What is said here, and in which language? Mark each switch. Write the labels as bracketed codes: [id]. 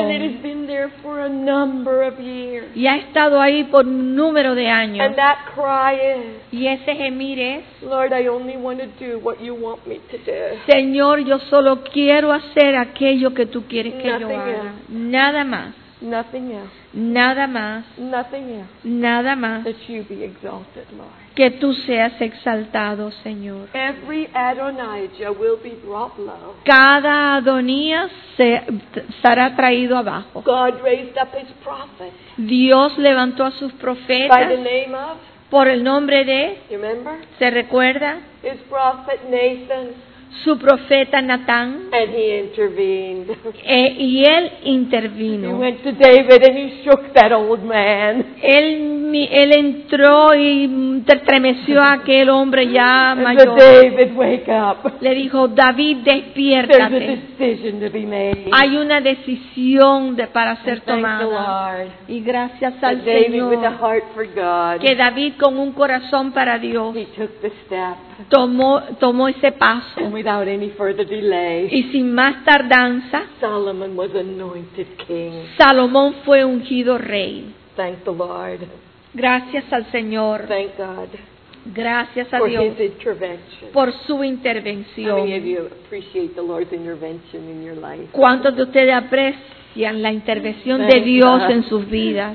[en] And it has been there for a number of years. [es] Y ha estado ahí por un número de años. [en] And that cry is, [es] y ese gemir es, [en] Lord, I only want to do what you want me to do. [es] Señor, yo solo quiero hacer aquello que tú quieres que [en] nothing [es] yo haga. [en] Else. [es] Nada más. [en] Nothing else. [es] Nada más. [en] Nothing else. [es] Nada más. [en] That you be exalted, Lord. [es] Que tú seas exaltado, Señor. [en] Every Adonijah will be brought low. [es] Cada Adonías será traído abajo. [en] God raised up his prophet. [es] Dios levantó a sus profetas. [en] By the name of, [es] por el nombre de. [en] You remember? [es] ¿Se recuerda? [en] His prophet Nathan. [es] Su profeta Natán. [en] And he intervened. [es] Y él intervino. [en] He went to David and he shook that old man. [es] Él él entró y estremeció a aquel hombre ya mayor. [en] David, wake up. [es] Le dijo, David, despiértate. [en] There's a decision to be made. [es] Hay una decisión para ser tomada. [en] Thank the Lord. [es] Y gracias al [en] David, [es] Señor, [en] with a heart for God, [es] que David con un corazón para Dios, [en] he took the step. [es] Tomó ese paso. [en] And without any further delay, [es] y sin más tardanza, [en] Solomon was anointed king. [es] Salomón fue ungido rey. [en] Thank the Lord. [es] Gracias al Señor. [en] Thank God. [es] Gracias a [en] for [es] Dios. [en] His intervention. [es] Por su intervención. [en] How many of you appreciate the Lord's intervention in your life? [es] ¿Cuántos de ustedes aprecian la intervención de Dios en sus vidas?